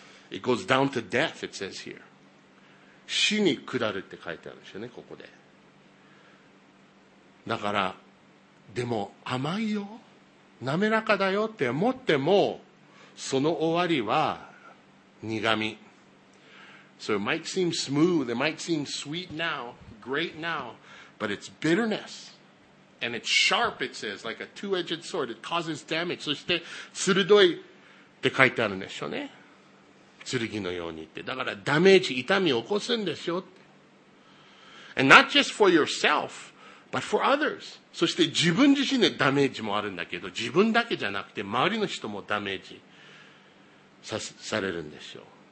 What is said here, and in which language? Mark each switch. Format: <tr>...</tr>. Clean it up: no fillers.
<en>It goes down to death, it says here.</en> <ja>死に下るって書いてあるんですよね、ここで。だから、でも甘いよ。滑らかだよって思っても、その終わりは苦み。</ja> <en>So it might seem smooth, it might seem sweet now, great now, but it's bitterness. And it's sharp, it says, like a two-edged sword. It causes damage.</en> <ja>そして、鋭いって書いてあるんでしょうね。剣のようにって。だからダメージ、痛みを起こすんでしょ。</ja> <en>And not just for yourself, but for others.</en> <ja>そして自分自身でダメージもあるんだけど、自分だけじゃなくて周りの人もダメージされるんでしょう。</ja>